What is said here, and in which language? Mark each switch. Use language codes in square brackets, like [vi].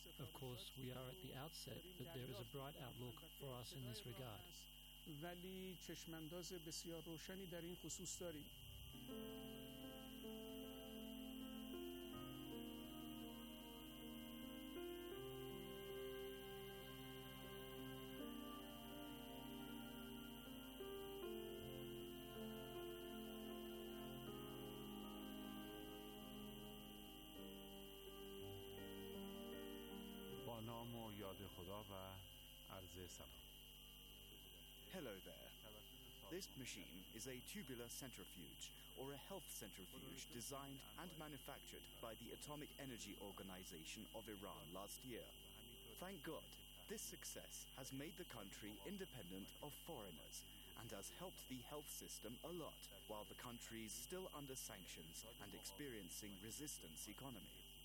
[en] Of course, we are at the outset, but there is a bright outlook for us in this regard. [fa] ولی چشم انداز بسیار روشنی در این خصوص داریم. با نام و یاد خدا و عرض سلام. [en] Hello there. This machine is a tubular centrifuge, or a health centrifuge, designed and manufactured by the Atomic Energy Organization of Iran last year. Thank God, this success has made the country independent of foreigners and has helped the health system a lot, while the country is still under sanctions and experiencing resistance economy.